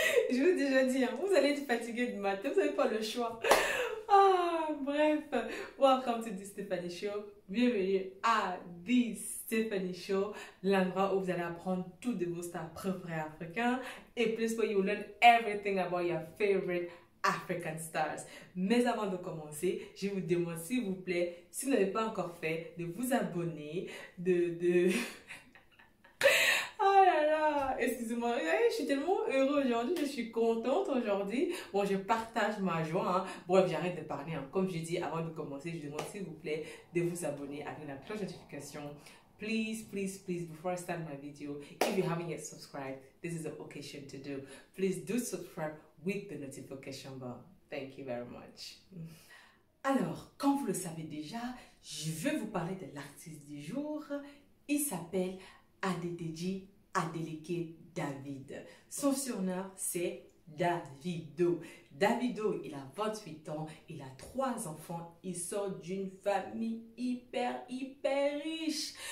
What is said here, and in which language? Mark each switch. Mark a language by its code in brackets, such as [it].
[fr] Je vous ai déjà dit, hein, vous allez être fatigué du matin, vous n'avez pas le choix. Ah, bref, [en] welcome to the Stephanie Show. [fr] Bienvenue à The Stephanie Show, l'endroit où vous allez apprendre tout de vos stars préférés africains et plus, [en] where you learn everything about your favorite African Stars. [fr] Mais avant de commencer, je vous demande s'il vous plaît, si vous n'avez pas encore fait, de vous abonner, là, excusez-moi, je suis tellement heureux aujourd'hui, je suis contente aujourd'hui. Bon, je partage ma joie. Hein. Bref, j'arrête de parler. Hein. Comme je dis, avant de commencer, je vous demande s'il vous plaît de vous abonner avec la cloche de notification. [en] Please, please, please, before I start my video, if you haven't yet subscribed, this is the occasion to do. Please do subscribe with the notification bell. Thank you very much. [fr] Alors, comme vous le savez déjà, je vais vous parler de l'artiste du jour. Il s'appelle Adedeji Adeleke David. Son surnom, c'est Davido. Davido, il a 28 ans, il a trois enfants, il sort d'une famille hyper, hyper riche.